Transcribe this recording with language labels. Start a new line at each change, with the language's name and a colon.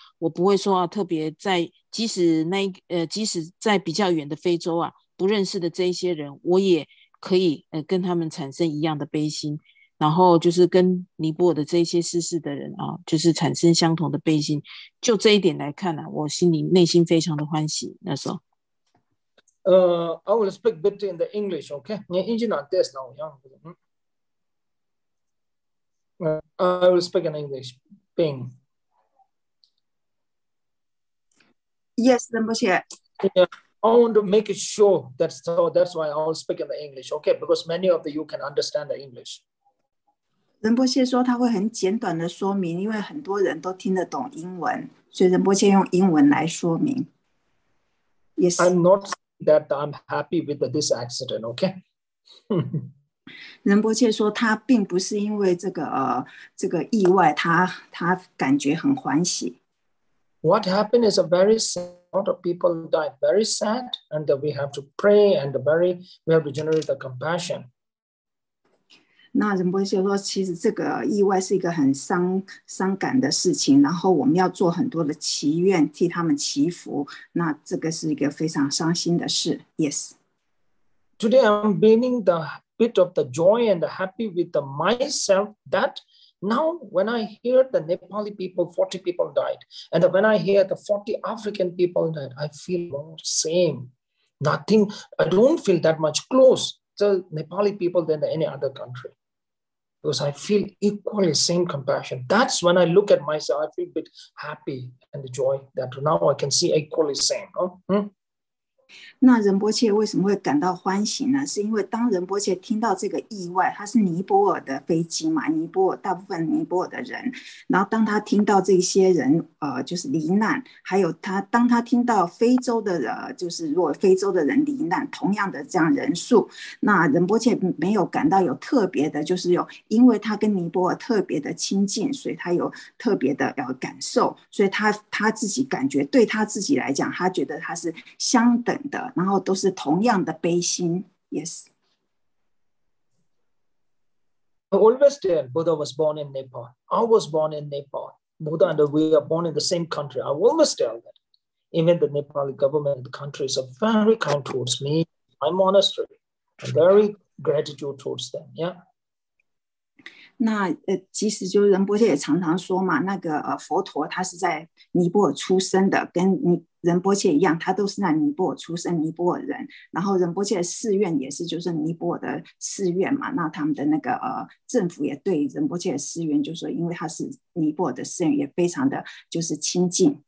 Chinese: 我不会说啊，特别在即使在比较远的非洲啊。不认识的这些人，我也可以跟他们产生一样的悲心，然后就是跟尼泊尔的这些逝世的人啊，就是产生相同的悲心。就这一点来看啊，我心里内心非常的欢喜。那时候，
English: I will speak bit in the English, okay?
Chinese: 你英语哪 test 哪样？
English: I will speak in English. Bing. Yes, 林博士。 I want to make it sure that so that's why I'll speak in the English, okay? Because many of you can understand the English.
Chinese: 仁波切说他会很简短的说明，因为很多人都听得懂英文，所以仁波切用英文来说明。
English: Yes. I'm not that I'm happy with this accident, okay?
Chinese: 仁波切说他并不是因为这个意外，他感觉很欢喜。
English: What happened is a very lot of people died, very sad, and we have to pray and we have to generate the compassion.
Chinese: 那仁波切说，其实这个意外是一个很伤感的事情，然后我们要做很多的祈愿，替他们祈福。那这个是一个非常伤心的事。
English: Yes. Today I'm beaming the bit of the joy and the happy with the myself that. Now, when I hear the Nepali people, 40 people died, and when I hear the 40 African people died, I feel more same. Nothing, I don't feel that much close to Nepali people than any other country. Because I feel equally same compassion. That's when I look at myself, I feel a bit happy and joy that now I can see equally same. Huh? Hmm?
Chinese: 那仁波切为什么会感到欢喜呢？是因为当仁波切听到这个意外，他是尼泊尔的飞机嘛，尼泊尔大部分尼泊尔的人，然后当他听到这些人就是罹难，还有他当他听到非洲的人就是如果非洲的人罹难同样的这样人数，那仁波切没有感到有特别的，就是有因为他跟尼泊尔特别的亲近，所以他有特别的感受，所以他自己感觉对他自己来讲，他觉得他是相等的，然后都是同样的悲心。
English: Yes. Always there. Buddha was born in Nepal. I was born in Nepal. Buddha and we are born in the same country. I always tell that. Even the Nepali government, the country is very kind towards me, my monastery. Very gratitude towards them. Yeah.
Chinese: 那其实就是仁波切也常常说嘛，那个佛陀他是在尼泊尔出生的，跟仁波切一样，他都是在尼泊尔出生，尼泊尔人。然后仁波切的寺院也是就是尼泊尔的寺院嘛，那他们的那个政府也对仁波切的寺院，就是说因为他是尼泊尔的寺院，也非常的就是亲近。